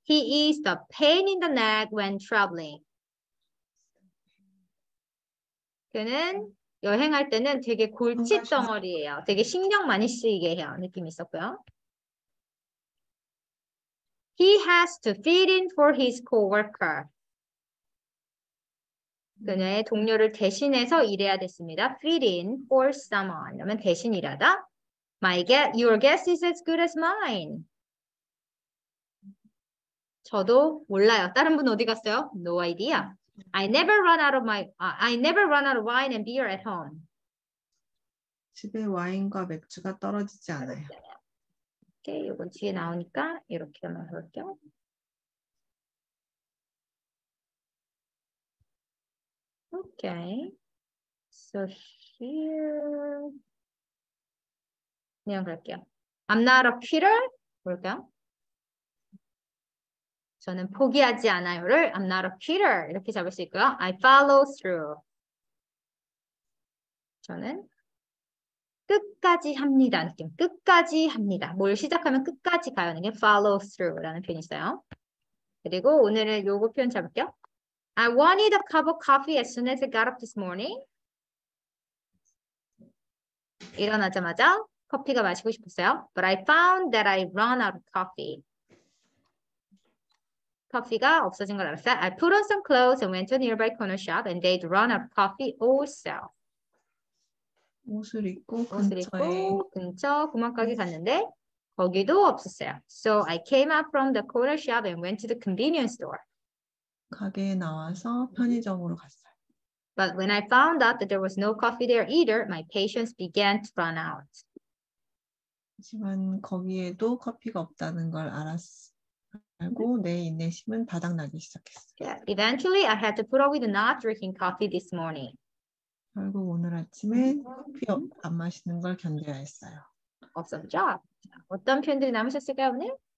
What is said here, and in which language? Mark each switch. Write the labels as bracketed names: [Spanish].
[English] He is the pain in the neck when traveling. [Korean] 그는 여행할 때는 되게 골칫덩어리예요. 되게 신경 많이 쓰이게 해요. 느낌이 있었고요. [English] He has to fit in for his co-worker. [Korean] 그녀의 동료를 대신해서 일해야 됐습니다. [English] Fit in for someone. [Korean] 그러면 대신 일하다. [English] Your guess is as good as mine. [Korean] 저도 몰라요. 다른 분 어디 갔어요? [English] No idea. I never run out of wine and beer at home. [Korean] 집에 와인과 맥주가 떨어지지 않아요. 이렇게 요건 뒤에 나오니까 이렇게 한번 해볼게요. 오케이. [English] So here [Korean] 그냥 갈게요. [English] I'm not a quitter. [Korean] 볼까요? 저는 포기하지 않아요를 [English] I'm not a quitter [Korean] 이렇게 잡을 수 있고요. [English] I follow through. [Korean] 저는 끝까지 합니다. 느낌. 끝까지 합니다. 뭘 시작하면 끝까지 가요는 게 follow through라는 표현이 있어요. 그리고 오늘은 요거 표현 잡을게요. [English] I wanted a cup of coffee as soon as I got up this morning. [Korean] 일어나자마자 커피가 마시고 싶었어요. [English] But I found that I run out of coffee. [Korean] 커피가 없어진 걸 알았어요. [English] I put on some clothes and went to a nearby corner shop and they'd run out of coffee also. [Korean] 옷을 입고 옷을 근처에 입고 근처 구멍까지 갔는데 거기도 없었어요. [English] So I came out from the corner shop and went to the convenience store. [Korean] 가게에 나와서 편의점으로 갔어요. [English] But when I found out that there was no coffee there either, my patience began to run out. [Korean] 하지만 거기에도 커피가 없다는 걸 알고 내 인내심은 바닥나기 [English] Yeah, eventually I had to put up with not drinking coffee this morning. [Korean] 시작했어요. 결국 오늘 아침에 커피 안 마시는 걸 견뎌야 했어요. [English] Awesome job. [Korean] 어떤 표현들이 남으셨을까요, 오늘?